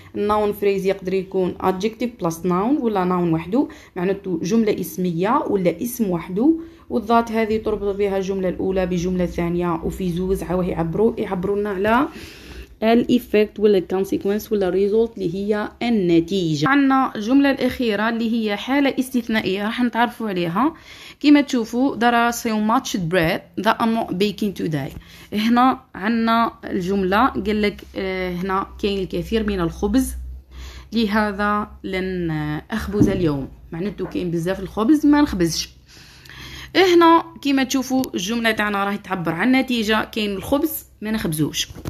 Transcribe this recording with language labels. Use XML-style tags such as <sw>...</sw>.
<en>noun phrase</en> <ar>يقدر يكون</ar> <en>adjective plus noun</en> <ar>ولا noun وحده، معناته جملة اسمية ولا اسم وحده، والذات هذه تربط بها الجملة الأولى بجملة ثانية. وفي زوز عاوه يعبرونا على ال effect ولا consequence ولا result اللي هي النتيجة. عندنا الجملة الأخيرة اللي هي حالة استثنائية، راح نتعرفوا عليها. كما تشوفوا</ar> <en>there are so much bread that I'm not baking today.</en> <ar>هنا عندنا الجملة قال لك هنا كاين الكثير من الخبز لهذا لن أخبز اليوم، معناته كاين بزاف الخبز ما نخبزش. هنا كما تشوفوا الجملة تاعنا راح تعبر عن نتيجة، كاين الخبز ما نخبزوش.</ar>